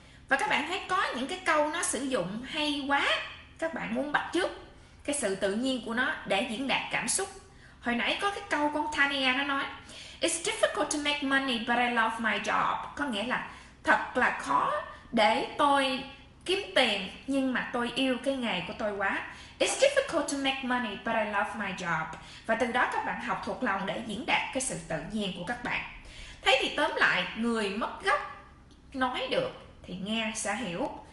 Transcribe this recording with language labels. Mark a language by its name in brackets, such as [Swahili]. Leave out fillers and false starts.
[Vietnamese] Và các bạn thấy có những cái câu nó sử dụng hay quá, các bạn muốn bắt chước cái sự tự nhiên của nó để diễn đạt cảm xúc. Hồi nãy có cái câu con Tania nó nói [English] "It's difficult to make money but I love my job." [Vietnamese] Có nghĩa là thật là khó để tôi kiếm tiền nhưng mà tôi yêu cái nghề của tôi quá. [English] "It's difficult to make money but I love my job." [Vietnamese] Và từ đó các bạn học thuộc lòng để diễn đạt cái sự tự nhiên của các bạn. Thế thì tóm lại, người mất gốc nói được thì nghe sẽ hiểu.